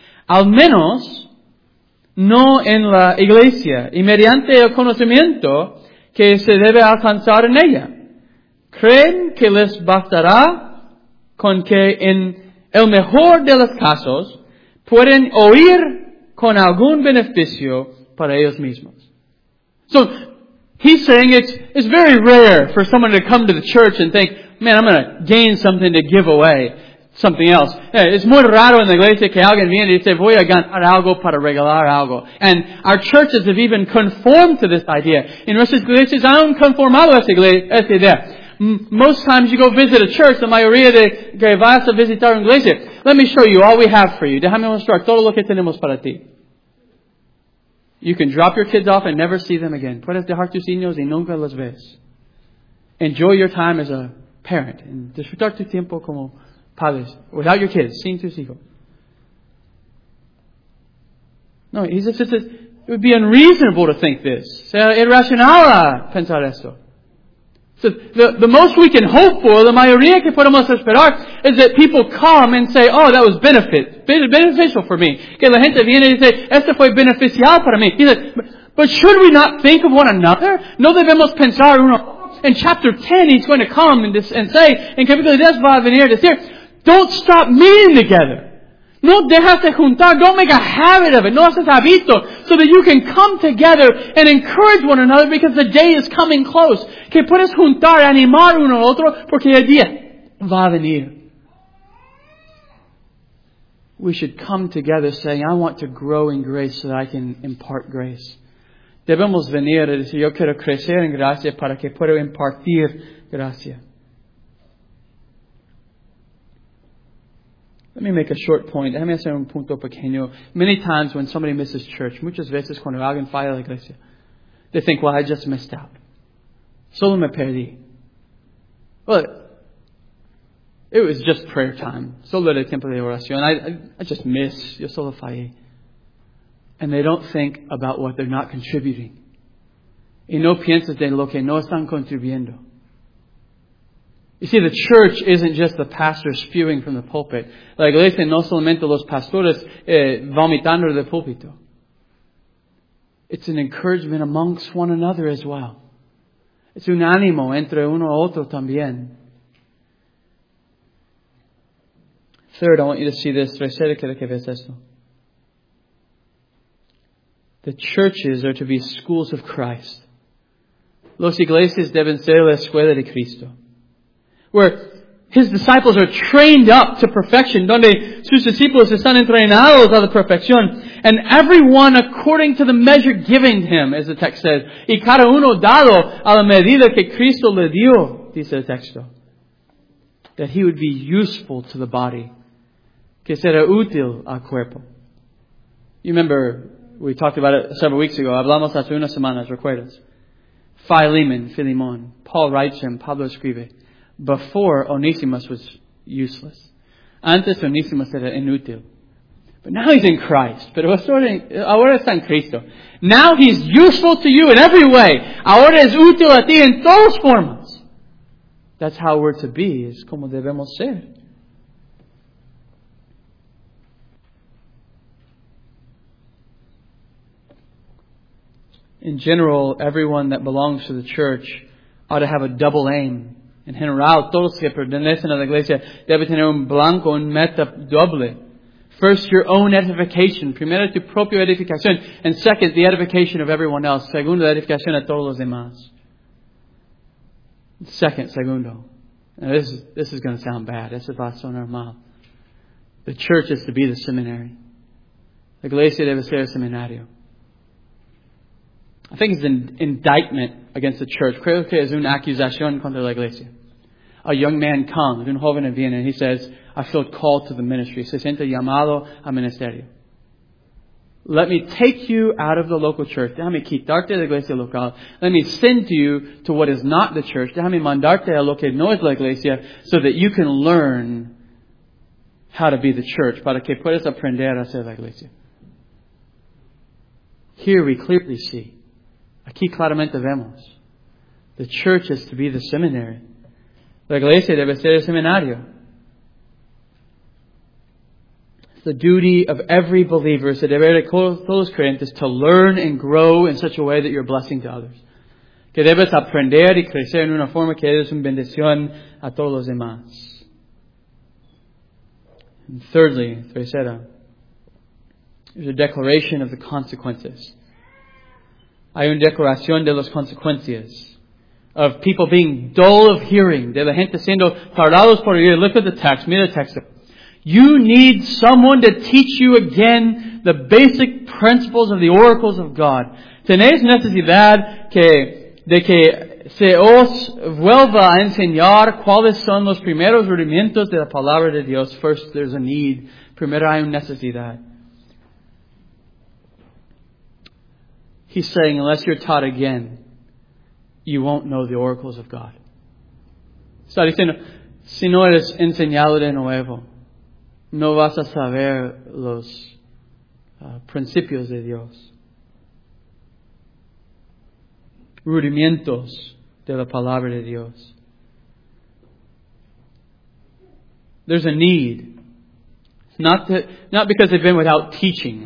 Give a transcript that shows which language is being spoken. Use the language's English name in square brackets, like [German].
[Spanish] Al menos, no en la iglesia, y mediante el conocimiento que se debe alcanzar en ella. Creen que les bastará con que en el mejor de los casos pueden oír con algún beneficio para ellos mismos. [English] So, he's saying it's very rare for someone to come to the church and think, man, I'm going to gain something to give away, something else. [Spanish] It's muy raro en la iglesia que alguien viene y dice, voy a ganar algo para regalar algo. [English] And our churches have even conformed to this idea. [Spanish] En nuestras iglesias han conformado a esta idea. [English] Most times you go visit a church, [Spanish] la mayoría de que vas a visitar una iglesia, [English] let me show you all we have for you. [Spanish] Déjame mostrar todo lo que tenemos para ti. [English] You can drop your kids off and never see them again. [Spanish] Puedes dejar tus niños y nunca los ves. [English] Enjoy your time as a parent and [Spanish] disfrutar tu tiempo como padres [English] without your kids, [Spanish] sin tus hijos. [English] No, he just says it would be unreasonable to think this. [Spanish] Sea irracional pensar esto. [English] So the most we can hope for, [Spanish] la mayoría que podemos esperar, [English] is that people come and say, oh, that was beneficial for me. [Spanish] Que la gente viene y dice, esto fue beneficial para mí. [English] He said, but should we not think of one another? [Spanish] No debemos pensar uno. [English] In chapter 10, he's going to come and say, [Spanish] en capítulo 10 va a venir a decir, [English] don't stop meeting together. [Spanish] No dejas de juntar. [English] Don't make a habit of it. [Spanish] No haces hábito. [English] So that you can come together and encourage one another because the day is coming close. [Spanish] Que puedes juntar, animar uno al otro porque el día va a venir. [English] We should come together saying, I want to grow in grace so that I can impart grace. [Spanish] Debemos venir a decir, yo quiero crecer en gracia para que pueda impartir gracia. [English] Let me make a short point. [Spanish] Déjame hacer un punto pequeño. [English] Many times when somebody misses church, [Spanish] muchas veces cuando alguien falla a la iglesia, [English] they think, well, I just missed out. [Spanish] Solo me perdí. [English] Well, it was just prayer time. [Spanish] Solo era tiempo de oración. [English] I just missed. [Spanish] Yo solo fallé. [English] And they don't think about what they're not contributing. [Spanish] Y no piensas de lo que no están contribuyendo. [English] You see, the church isn't just the pastor spewing from the pulpit. [Spanish] La iglesia no solamente los pastores vomitando del púlpito. [English] It's an encouragement amongst one another as well. [Spanish] It's un ánimo entre uno a otro también. [English] Third, I want you to see this. [Spanish] Tercero, quiero que veas esto. [English] The churches are to be schools of Christ. [Spanish] Los iglesias deben ser la escuela de Cristo. [English] Where his disciples are trained up to perfection. [Spanish] Donde sus discípulos están entrenados a la perfección. [English] And everyone according to the measure given him, as the text says. [Spanish] Y cada uno dado a la medida que Cristo le dio, dice el texto. [English] That he would be useful to the body. [Spanish] Que será útil al cuerpo. [English] You remember, we talked about it several weeks ago. [Spanish] Hablamos hace unas semanas, recuerdas. [English] Philemon, Filimón. Paul writes him, [Spanish] Pablo escribe. [English] Before, Onesimus was useless. [Spanish] Antes, Onesimus era inútil. [English] But now he's in Christ. [Spanish] Pero ahora está en Cristo. [English] Now he's useful to you in every way. [Spanish] Ahora es útil a ti en todas formas. [English] That's how we're to be. [Spanish] Es como debemos ser. [English] In general, everyone that belongs to the church ought to have a double aim. [Spanish] En general, todos que pertenecen a la iglesia deben tener un blanco, un meta doble. [English] First, your own edification. [Spanish] Primero, tu propia edificación. [English] And second, the edification of everyone else. [Spanish] Segundo, la edificación a todos los demás. Segundo. [English] Now, this is going to sound bad. [Spanish] Eso va a sonar mal. [English] The church is to be the seminary. [Spanish] La iglesia debe ser el seminario. [English] I think it's an indictment against the church. [Spanish] Creo que es una acusación contra la iglesia. [English] A young man comes, [Spanish] un joven viene, [English] and he says, I feel called to the ministry. [Spanish] Se siente llamado a ministerio. [English] Let me take you out of the local church. [Spanish] Déjame quitarte la iglesia local. [English] Let me send you to what is not the church. [Spanish] Déjame mandarte a lo que no es la iglesia [English] so that you can learn how to be the church. [Spanish] Para que puedas aprender a ser la iglesia. [English] Here we clearly see. [Spanish] Aquí claramente vemos. [English] The church is to be the seminary. [Spanish] La iglesia debe ser el seminario. [English] The duty of every believer, [Spanish] es el deber de todos los creyentes, [English] to learn and grow in such a way that you're a blessing to others. [Spanish] Que debes aprender y crecer en una forma que eres una bendición a todos los demás. [English] And thirdly, tercera, there's a declaration of the consequences. [Spanish] Hay una declaración de las consecuencias. [English] Of people being dull of hearing. [Spanish] De la gente siendo tardados por oír. [English] Look at the text. [Spanish] Mira el texto. [English] You need someone to teach you again the basic principles of the oracles of God. [Spanish] Tenéis necesidad de que se os vuelva a enseñar cuáles son los primeros rudimentos de la palabra de Dios. [English] First, there's a need. [Spanish] Primero hay una necesidad. [English] He's saying, unless you're taught again, you won't know the oracles of God. [Spanish] está diciendo, si no eres enseñado de nuevo, no vas a saber los principios de Dios. Rudimentos de la palabra de Dios. [English] There's a need. Not because they've been without teaching.